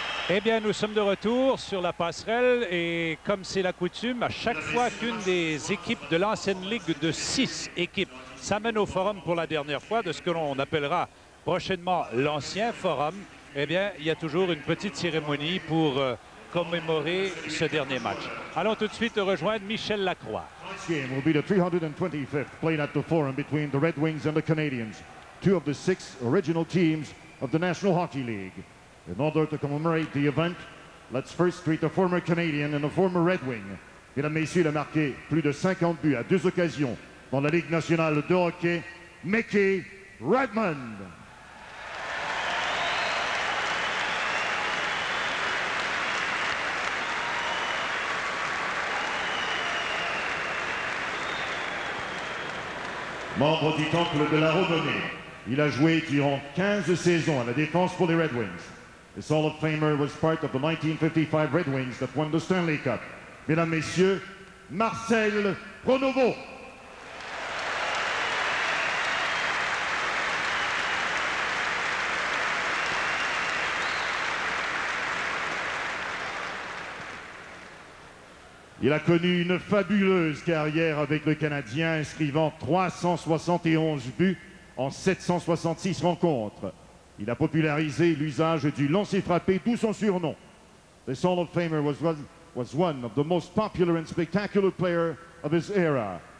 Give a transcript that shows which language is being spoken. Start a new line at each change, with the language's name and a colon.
French: Eh bien, nous sommes de retour sur la passerelle et comme c'est la coutume, à chaque fois qu'une des équipes de l'ancienne ligue de 6 équipes s'amène au forum pour la dernière fois de ce que l'on appellera prochainement l'ancien forum, eh bien, il y a toujours une petite cérémonie pour commémorer ce dernier match. Allons tout de suite rejoindre Michel Lacroix.
English: This game will be the 325th played at the forum between the Red Wings and the Canadiens, two of the six original teams of the National Hockey League. In order to commemorate the event, let's first treat a former Canadian and a former Red Wing.
French: Mesdames, Messieurs, il a marqué plus de 50 buts à deux occasions dans la Ligue nationale de hockey, Mickey Redman. Membre du Temple de la Renommée, il a joué durant 15 saisons à la défense pour les Red Wings.
English: This Hall of Famer was part of the 1955 Red Wings that won the Stanley Cup.
French: Mesdames, Messieurs, Marcel Pronovost. Il a connu une fabuleuse carrière avec le Canadien, inscrivant 371 buts en 766 rencontres. Il a popularisé l'usage du lancer frappé, d'où son surnom.
English: This Hall of Famer was one of the most popular and spectacular players of his era.